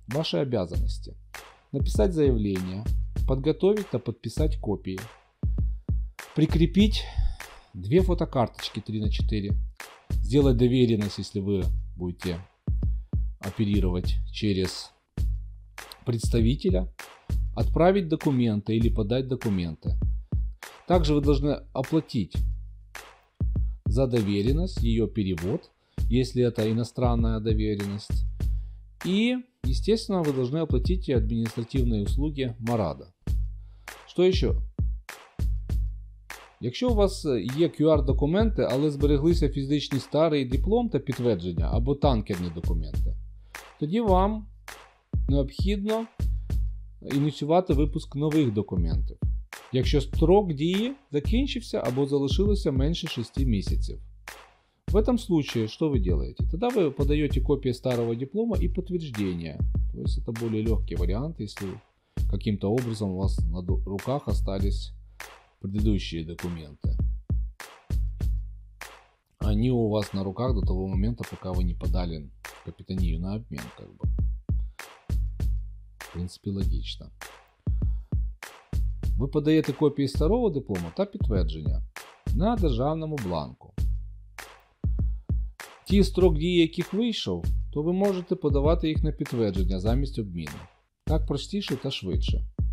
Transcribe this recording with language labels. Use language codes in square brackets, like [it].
[ru] Ваши обязанности. Написать заявление, подготовить и подписать копии, прикрепить 2 фотокарточки 3x4, сделать доверенность, если вы будете оперировать через представителя, отправить документы или подать документы. Также вы должны оплатить за доверенность, ее перевод, если это иностранная доверенность. И, естественно, вы должны оплатить и административные услуги МАРАДА. Что еще? [uk] Якщо у вас є QR-документи, але збереглися фізичний старий диплом та підтвердження або танкерні документи, тоді вам необхідно ініціювати випуск нових документів, якщо строк дії закінчився або залишилося менше 6 місяців. В цьому випадку що ви робите? Тоді ви подаєте копії старого диплома і підтвердження. Тобто це більш легкий варіант, якщо якимось образом у вас на руках [ru] остались предыдущие документы. Они у вас на руках до того момента, пока вы не подали капитанию на обмен, как бы. В принципе, логично. Вы подаете копии старого диплома [uk] та підтвердження на державному бланку. Ті строк дії, яких вийшов, то ви можете подавати їх на підтвердження замість обміну. Так простіше та швидше.